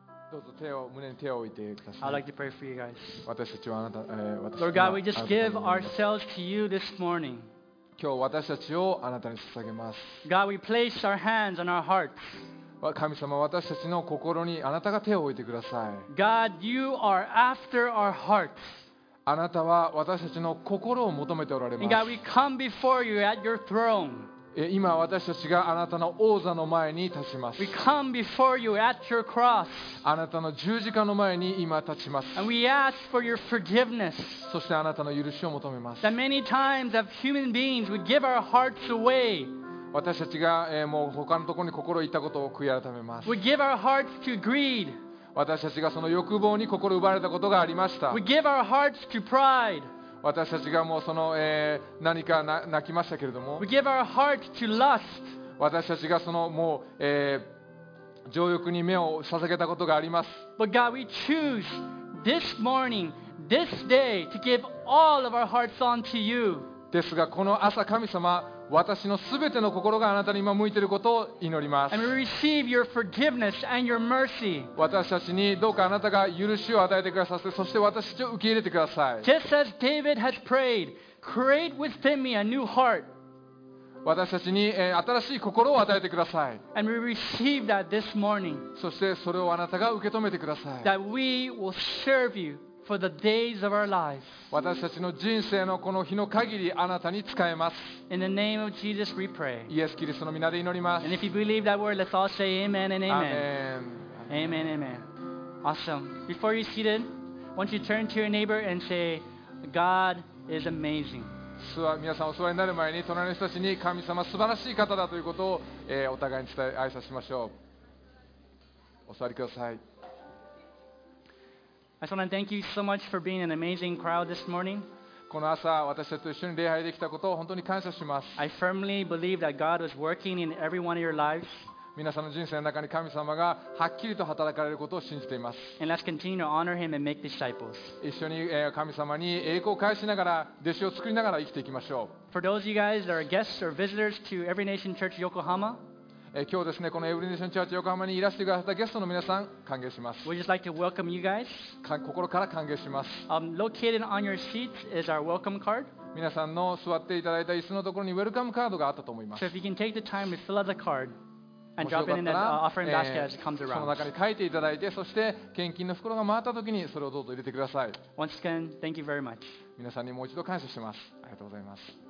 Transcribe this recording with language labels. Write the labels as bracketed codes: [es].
[ja] どうぞ手を胸に手を置いてください。 [en] I'd like to pray for you guys. [ja] 私たちはあなた、 [en] Lord God, we just give ourselves to you this morning. [ja] 今日私たちをあなたに捧げます。 [en] God, we place our hands on our hearts. [ja] 神様、私たちの心にあなたが手を置いてください。 [en] God, you are after our hearts. [ja] あなたは私たちの心を求めておられます。 [en] And God, we come before you at your throne. [ja] 今私たちがあなたの王座の前に立ちます。 [en] We come before you at your cross. [ja] あなたの十字架の前に今立ちます。 [en] And we ask for your forgiveness. [ja] そしてあなたの許しを求めます。 [en] That many times of human beings we give our hearts away. [ja] 私たちが、もう他のところに心を置いたことを悔い改めます。 [en] We give our hearts to greed. [ja] 私たちがその欲望に心を奪われたことがありました。 [en] We give our hearts to pride. [ja] 私たちがもうその、何か泣きましたけれども [en] We give our heart to lust. [ja] 私たちがそのもう、情欲に目を捧げたことがあります [en] But God, we choose this morning, this day to give all of our hearts unto you. [ja] ですがこの朝神様私のすべての心があなたに今向いていることを祈ります [en] And we receive your forgiveness and your mercy. [ja] 私たちにどうかあなたが許しを与えてくださってそして私たちを受け入れてください [en] Just as David has prayed, create within me a new heart. [ja] 私たちに、新しい心を与えてください [en] And we receive that this morning. [ja] そしてそれをあなたが受け止めてください [en] That we will serve you. For the days of our lives. [ja] 私たちの人生のこの日の限りあなたに使えます。 [en] In the name of Jesus, we pray. [ja] イエス・キリストの皆で祈ります。 [en] And if you believe that word, let's all say amen and amen. Amen. Amen, amen. Awesome. Before you're seated, why don't you turn to your neighbor and say, God is amazing. [ja] 皆さんお座りになる前に隣の人たちに神様素晴らしい方だということを、お互いに伝え挨拶しましょう。お座りください。 [en] I just want to thank you so much for being an amazing crowd this morning. [ja] この朝、私たちと一緒に礼拝できたことを本当に感謝します。 [en] I firmly believe that God was working in every one of your lives. [ja] 皆さんの人生の中に神様がはっきりと働かれることを信じています。 [en] And let's continue to honor Him and make disciples. [ja] 一緒に神様に栄光を返しながら、弟子を作りながら生きていきましょう。 [en] For those of you guys that are guests or visitors to Every Nation Church Yokohama, [ja] 今日ですね、このエブリネーションチャーチ横浜にいらしてくださったゲストの皆さん、歓迎します。 [en] We'd just like to welcome you guys. [ja] 心から歓迎します。 [en] Located on your seats is our welcome card. [ja] 皆さんの座っていただいた椅子のところにウェルカムカードがあったと思います。 [en] So if you can take the time to fill out the card and drop it in the offering basket as it comes around. [ja] その中に書いていただいて、そして献金の袋が回った時にそれをどうぞ入れてください。 [en] Once again, thank you very much. [ja] 皆さんにもう一度感謝します。ありがとうございます。